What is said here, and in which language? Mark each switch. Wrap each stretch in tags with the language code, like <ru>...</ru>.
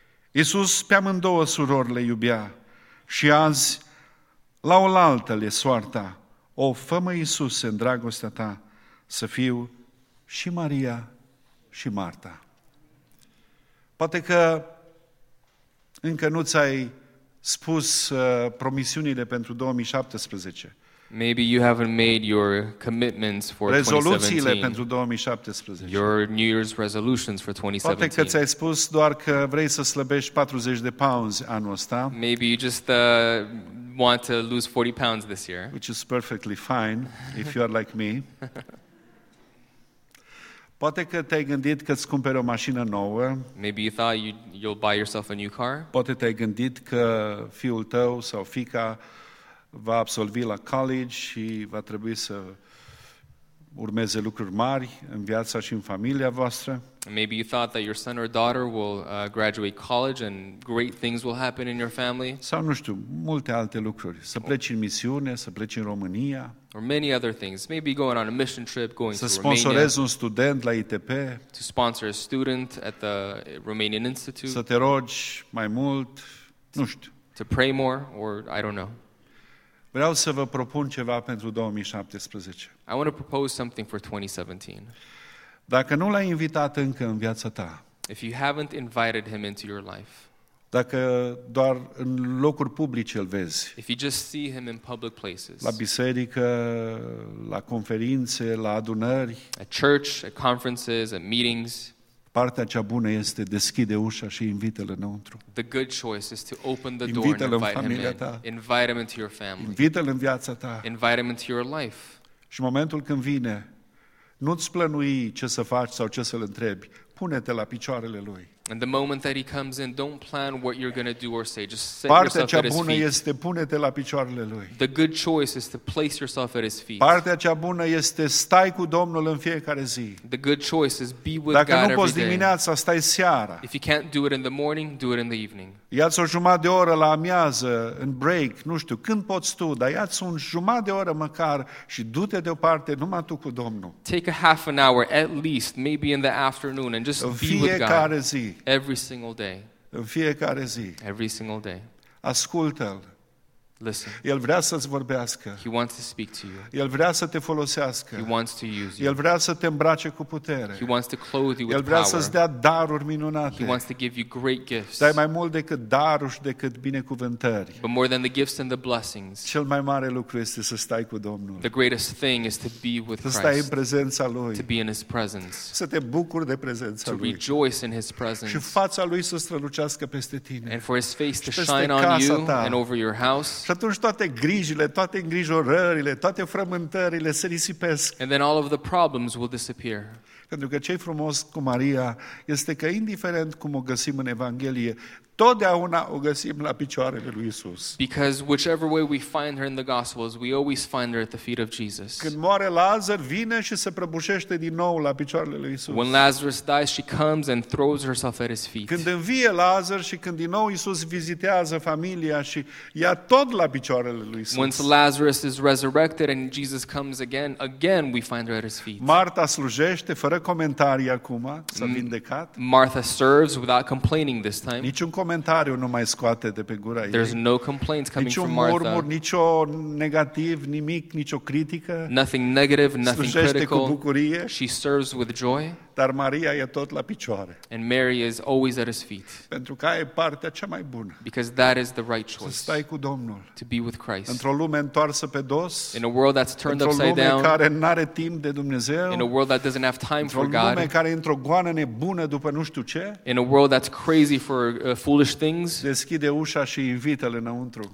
<ro>Iisus pe amândouă surori le iubea și azi la oaltă le soarta, o fă-mă Iisuse în dragostea ta să fiu și Maria și Marta. Poate că încă nu ți-ai spus promisiunile pentru 2017.</ro> <en>Maybe you haven't made your commitments for 2017.</en> <ro>Rezoluțiile pentru 2017.</ro> <en>Your New Year's resolutions for 2017.</en> <ro>Poate că ți-ai spus doar că vrei să slăbești 40 de pounds anul ăsta.</ro> <en>Maybe you just want to lose 40 pounds this year. Which is perfectly fine if you are like me.</en> <ro>Poate că te-ai gândit că îți cumperi o mașină nouă.</ro> <en>Maybe you thought you'll buy yourself a new car.</en> <ro>Poate te-ai gândit că fiul tău sau fiica va absolvi la college și va trebui să urmeze lucruri mari în viața și în familia voastră.</ro> <en>Maybe you thought that your son or daughter will graduate college and great things will happen in your family.</en> <ro>Sau nu știu, multe alte lucruri. Să pleci în misiune, să pleci în România.</ro> <en>Or many other things. Maybe going on a mission trip, going to Romania.</en> <ro>Să sponsorezi un student la ITP.</ro> <en>To sponsor a student at the Romanian Institute.</en> <ro>Să te rogi mai mult, nu știu.</ro> <en>To pray more, or I don't know.</en> <ro>Vreau să vă propun ceva pentru 2017.</ro> <en>I want to propose something for 2017.</en> <ro>Dacă nu l-ai invitat încă în viața ta.</ro> <en>If you haven't invited him into your life.</en> <ro>Dacă doar în locuri publice îl vezi.</ro> <en>If you just see him in public places.</en> <ro>La biserică, la conferințe, la adunări.</ro> <en>At church, at conferences, at meetings.</en> <ro>Partea cea bună este deschide ușa și invită-l înăuntru.</ro> <en>The good choice is to open the door and invite him in. Invite him into your family.</en> <ro>Invită-l în viața ta.</ro> <en>Invite him into your life.</en> <ro>Și momentul când vine, nu-ți plănui ce să faci sau ce să-l întrebi. Pune-te la picioarele lui.</ro> <en>And the moment that he comes in, don't plan what you're going to do or say. Just set yourself at his feet.</en> <ro>Partea cea bună este pune-te la picioarele lui.</ro> <en>The good choice is to place yourself at his feet.</en> <ro>Partea cea bună este stai cu Domnul în fiecare zi.</ro> <en>The good choice is be with God every</en> <ro>day. Dacă nu poți dimineața, stai seara.</ro> <en>If you can't do it in the morning, do it in the evening.</en> <ro>Ia-ți o jumătate de oră la amiază, în break, nu știu, când poți tu, dar ia-ți un jumătate de oră măcar și du-te deoparte numai tu cu Domnul.</ro> <en>Take a half an hour at least, maybe in the afternoon, and just be with God.</en> <ro>În fiecare zi.</ro> <en>Every single day.</en> <ro>În fiecare zi.</ro> <en>Every single day.</en> <ro>Ascultă-l.</ro> <en>Listen.</en> <ro>El vrea să-ți vorbească.</ro> <en>He wants to speak to you.</en> <ro>El vrea să te folosească.</ro> <en>He wants to use you.</en> <ro>El vrea să te îmbrace cu putere.</ro> <en>He wants to clothe you with</en> <ro>El vrea</ro> <en>power.</en> <ro>Să-ți dea daruri minunate.</ro> <en>He wants to give you great gifts.</en> <ro>Dar mai mult decât daruri și decât binecuvântări.</ro> <en>But more than the gifts and the blessings.</en> <ro>Cel mai mare lucru este să stai cu Domnul.</ro> <en>The greatest thing is to be with Christ.</en> <ro>Să stai în prezența Lui.</ro> <en>To be in His presence.</en> <ro>Să te bucuri de prezența</ro> <en>to</en> <ro>Lui.</ro> <en>To rejoice in His presence.</en> <ro>Și fața Lui să strălucească peste tine.</ro> <en>And for His face to shine on you and over your house.</en> <ro>Și atunci toate grijile, toate îngrijorările, toate frământările se risipesc.</ro> <en>And then all of the problems will disappear.</en> <ro>Pentru că ce-i frumos cu Maria este că indiferent cum o găsim în Evanghelie, Totdeauna o găsim la picioarele lui Isus.</ro> <en>Because whichever way we find her in the Gospels, we always find her at the feet of Jesus.</en> <ro>Când moare Lazar, vine și se prăbușește din nou la picioarele lui Isus.</ro> <en>When Lazarus dies, she comes and throws herself at his feet.</en> <ro>Când învie Lazar și când din nou Isus vizitează familia și ia tot la picioarele lui Isus.</ro> <en>Once Lazarus is resurrected and Jesus comes again, again we find her at his feet.</en> <ro>Marta slujește fără comentarii acum, s-a vindecat.</ro> <en>Martha serves without complaining this time.</en> <ro>Niciun comentariu nu mai scoate de pe gura ei.</ro> <en>There's no complaints coming</en> <ro>niciun</ro> <en>from Martha.</en> <ro>Murmur, nicio negativ, nimic, nicio critică.</ro> <en>Nothing negative, nothing</en> <ro>slujește</ro> <en>critical.</en> <ro>Cu bucurie.</ro> <en>She serves with joy.</en> <ro>Dar Maria e tot la picioare.</ro> <en>And Mary is always at his feet.</en> <ro>Pentru că e partea cea mai bună.</ro> <en>Because that is the right choice.</en> <ro>Să stai cu Domnul.</ro> <en>To be with Christ.</en> <ro>Într-o lume întoarsă pe dos.</ro> <en>In a world that's turned upside down.</en> <ro>Într-o lume care n-are timp de Dumnezeu.</ro> <en>In a world that doesn't have time for God.</en> <ro>Într-o lume care e într-o goană nebună după nu știu ce.</ro> <en>In a world that's crazy for foolish things.</en> <ro>Deschide ușa și invită-l înăuntru.</ro>